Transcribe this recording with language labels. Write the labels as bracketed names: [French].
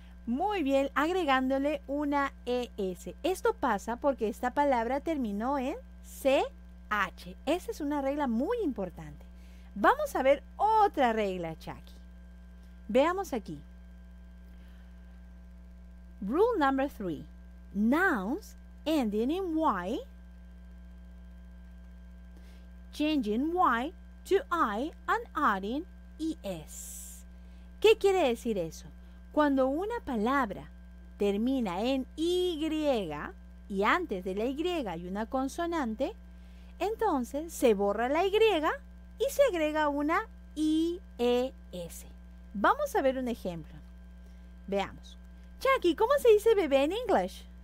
[Spanish] Muy bien, agregándole una ES. Esto pasa porque esta palabra terminó en CH. Esa es una regla muy importante. Vamos a ver otra regla, Chucky. Veamos aquí. [English] Rule number three. Nouns ending in Y, changing Y to I and adding ES. [Spanish] ¿Qué quiere decir eso? Cuando una palabra termina en Y y antes de la Y hay una consonante, entonces se borra la Y y se agrega una IES. Vamos a ver un ejemplo. Veamos. Jackie, ¿cómo se dice bebé en inglés?